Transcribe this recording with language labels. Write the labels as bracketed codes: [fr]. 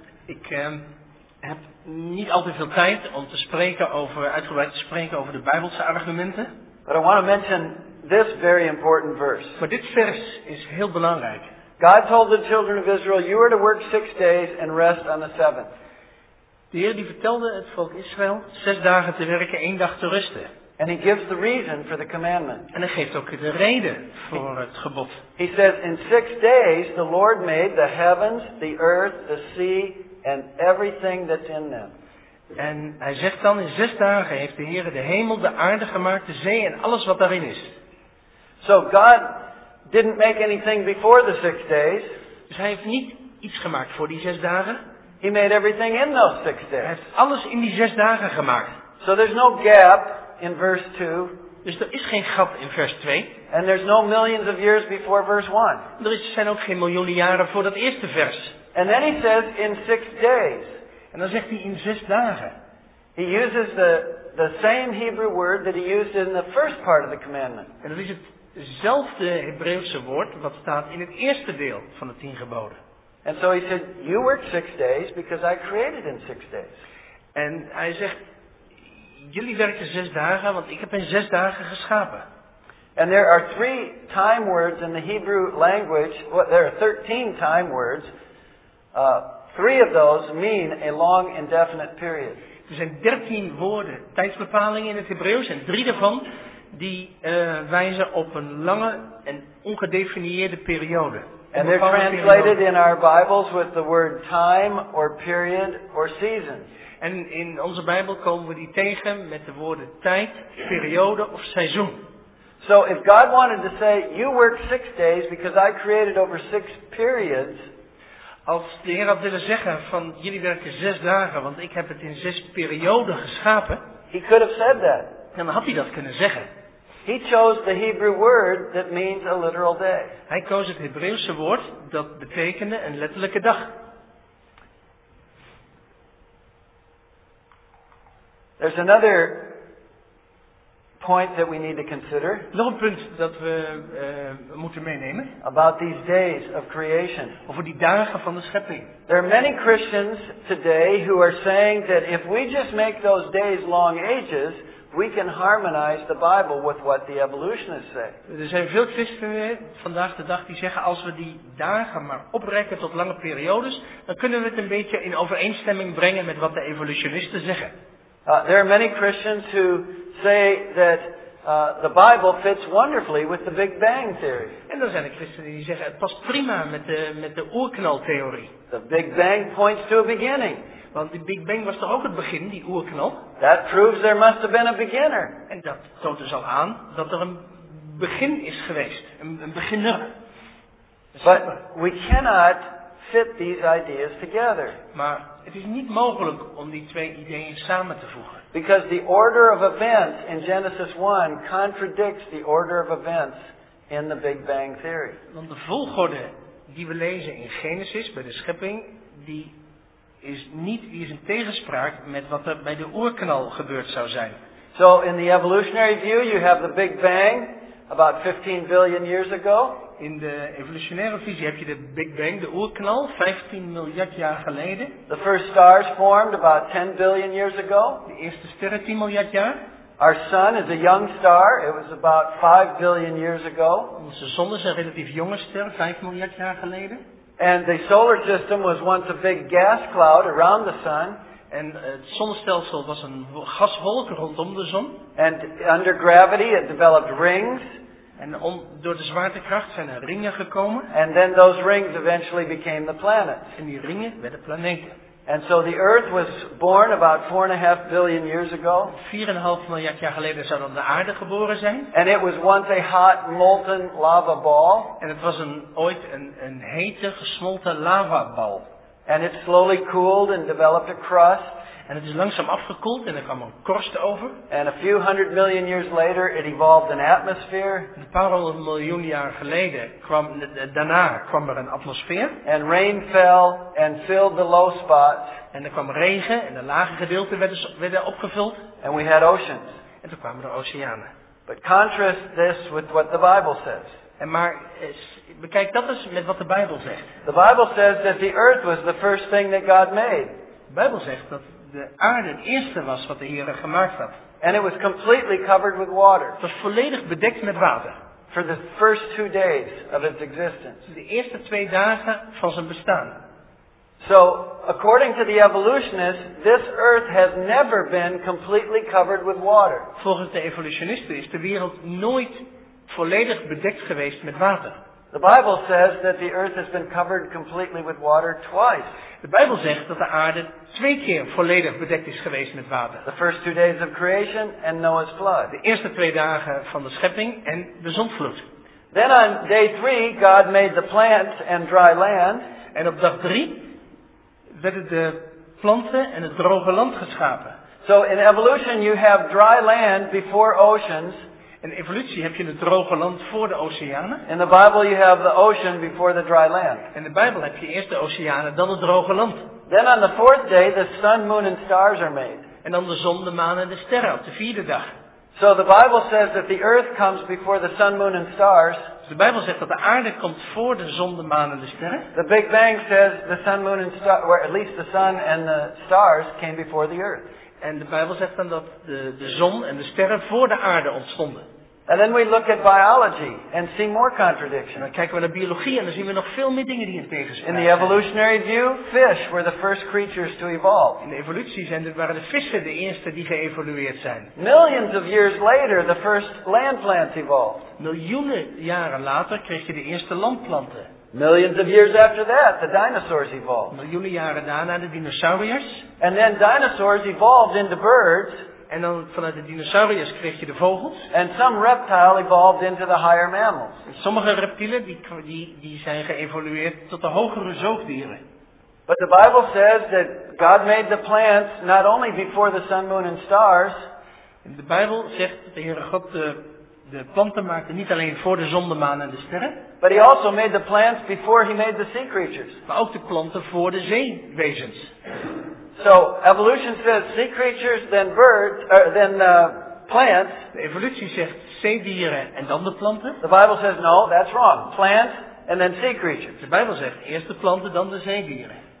[nl] Ik heb niet al te veel tijd om uitgebreid te spreken over de Bijbelse argumenten. [en] But I want to mention this very important verse. [nl] Maar dit vers is heel belangrijk. [en] God told the children of Israel, you are to work 6 days and rest on the seventh. [nl] De Heer die vertelde het volk Israël 6 dagen te werken, 1 dag te rusten. [en] And he gives the reason for the commandment. [nl] En hij geeft ook de reden voor het gebod. [en] He says, in 6 days the Lord made the heavens, the earth, the sea and everything that's in them. [nl] En hij zegt dan, in 6 dagen heeft de Heer de hemel, de aarde gemaakt, de zee en alles wat daarin is. [en] So God didn't make anything before the 6 days. [nl] Dus hij heeft niet iets gemaakt voor die 6 dagen. [en] He made everything in those 6 days. [nl] Hij heeft alles in die 6 dagen gemaakt. [en] So there's no gap in verse 2. [nl] Dus er is geen gap in vers 2. [en] And there's no millions of years before verse 1. [nl] Er zijn ook geen miljoenen jaren voor dat eerste vers. [en] And then he says in 6 days. [nl] En dan zegt hij in 6 dagen. [en] He uses the same Hebrew word that he used in the first part of the commandment. [nl] En dat is hetzelfde Hebreeuwse woord wat staat in het eerste deel van de 10 geboden. [en] And so he said, you work 6 days because I created in 6 days. [nl] En hij zegt, jullie werken 6 dagen, want ik heb in 6 dagen geschapen. [en] And there are 3 time words in the Hebrew language. Well, there are 13 time words. 3 of those mean a long indefinite period. [nl] Er zijn 13 woorden, tijdsbepalingen in het Hebreeuws, en 3 daarvan die wijzen op een lange en ongedefinieerde periode. [en] And they're translated in our Bibles with the word time or period or season. [nl] En in onze Bijbel komen we die tegen met de woorden tijd, periode of seizoen. [en] So if God wanted to say you work 6 days because I created over 6 periods. [nl] Als de Heer had willen zeggen van jullie werken 6 dagen, want ik heb het in 6 perioden geschapen. [en] He could have said that. [nl] Dan had hij dat kunnen zeggen. [en] He chose the Hebrew word that means a literal day. [nl] Hij koos het Hebreeuwse woord dat betekende een letterlijke dag. [en] There's another point that we need to consider. [nl] Nog een punt dat we moeten meenemen. [en] About these days of creation. [nl] Over die dagen van de schepping. [en] There are many Christians today who are saying that if we just make those days long ages, we can harmonize the Bible with what the evolutionists say. [nl] Er zijn veel christenen vandaag de dag die zeggen als we die dagen maar oprekken tot lange periodes, dan kunnen we het een beetje in overeenstemming brengen met wat de evolutionisten zeggen. [en] There are many Christians who say that the Bible fits wonderfully with the Big Bang theory. [nl] En dan zijn er christenen die zeggen het past prima met de oerknaltheorie. [en] The Big Bang points to a beginning. [nl] Want die Big Bang was toch ook het begin, die oerknal? [en] That proves there must have been a beginner. [nl] En dat toont dus al aan dat er een begin is geweest, een beginner. [en] But we cannot fit these ideas together. [nl] Maar het is niet mogelijk om die 2 ideeën samen te voegen. [en] Because the order of events in Genesis 1 contradicts the order of events in the Big Bang theory. [nl] Want de volgorde die we lezen in Genesis bij de schepping, die is in tegenspraak met wat er bij de oerknal gebeurd zou zijn. [en] So in the evolutionary view you have the Big Bang about 15 billion years ago. [nl] In de evolutionaire visie heb je de Big Bang, de oerknal, 15 miljard jaar geleden. [en] The first stars formed about 10 billion years ago. [nl] De eerste sterren 10 miljard jaar. [en] Our sun is a young star. It was about 5 billion years ago. [nl] Onze zon is een relatief jonge ster, 5 miljard jaar geleden. [en] And the solar system was once a big gas cloud around the sun. [nl] En het zonnestelsel was een gaswolk rondom de zon. [en] And under gravity it developed rings. [nl] En door de zwaartekracht zijn er ringen gekomen. [en] And then those rings eventually became the planets. [nl] En die ringen werden planeten. [en] And so the earth was born about 4.5 billion years ago. [nl] 4.5 miljard jaar geleden zou dan de aarde geboren zijn. [en] And it was once a hot molten lava ball. [nl] En het was ooit een hete gesmolten lava bal. [en] And it slowly cooled and developed a crust. [nl] En het is langzaam afgekoeld en er kwam een korst over. [en] And a few hundred million years later it evolved an atmosphere. [nl] Een paar honderd miljoen jaar geleden kwam er een atmosfeer. [en] And rain fell and filled the low spots. [nl] En er kwam regen en de lage gedeelten werden opgevuld. [en] And we had oceans. [nl] En toen kwamen er oceanen. [en] But contrast this with what the Bible says. [nl] En maar bekijk dat eens met wat de Bijbel zegt. [en] The Bible says that the earth was the first thing that God made. [nl] De Bijbel zegt dat de aarde het eerste was wat de Heer gemaakt had. [en] And it was completely covered with water. [nl] Het was volledig bedekt met water. [en] For the first 2 days of its existence. [nl] De eerste 2 dagen van zijn bestaan. [en] So, according to the evolutionists, this earth has never been completely covered with water. [nl] Volgens de evolutionisten is de wereld nooit volledig bedekt geweest met water. [en] The Bible says that the earth has been covered completely with water twice. [nl] De Bijbel zegt dat de aarde 2 keer volledig bedekt is geweest met water. [en] The first 2 days of creation and Noah's flood. [nl] De eerste 2 dagen van de schepping en de zondvloed. [en] Then on day 3, God made the plants and dry land. [nl] En op dag 3 werden de planten en het droge land geschapen. [en] So in evolution you have dry land before oceans. [nl] In evolutie heb je het droge land voor de oceanen. [en] In the Bible you have the ocean before the dry land. [nl] In de Bijbel heb je eerst de oceanen, dan het droge land. [en] Then on the 4th day the sun, moon and stars are made. [nl] En dan de zon, de maan en de sterren op de 4e dag. [en] So the Bible says that the earth comes before the sun, moon and stars. [nl] Dus de Bijbel zegt dat de aarde komt voor de zon, de maan en de sterren. [en] The Big Bang says the sun, moon and stars, or at least the sun and the stars came before the earth. [nl] En de Bijbel zegt dan dat de zon en de sterren voor de aarde ontstonden. [en] And then we look at biology and see more contradictions. [nl] Dan kijken we naar biologie en dan zien we nog veel meer dingen die in tegenspraak zijn. [en] In the evolutionary view, fish were the first creatures to evolve. [nl] In de evolutie waren de vissen de eerste die geëvolueerd zijn. [en] Millions of years later, the first land plants evolved. [nl] Miljoenen jaren later kreeg je de eerste landplanten. [en] Millions of years after that, the dinosaurs evolved. [nl] Miljoenen jaren daarna de dinosauriërs. [en] And then dinosaurs evolved into birds. [nl] En dan vanuit de dinosauriërs kreeg je de vogels. [en] And some reptile evolved into the higher mammals. [nl] En sommige reptielen die zijn geëvolueerd tot de hogere zoogdieren. [en] But the Bible says that God made the plants not only before the sun, moon and stars. [nl] En de Bijbel zegt dat de Heere God de planten maakte niet alleen voor de zon, de maan en de sterren. [en] But he also made the plants before he made the sea creatures. [nl] Maar ook de planten voor de zeewezens. [en] So evolution says sea creatures, then birds, then plants. [nl] De evolutie zegt zeedieren en dan de planten. [en] The Bible says no, that's wrong. Plants and then sea creatures. [nl] De Bijbel zegt eerst de planten, dan de zeedieren.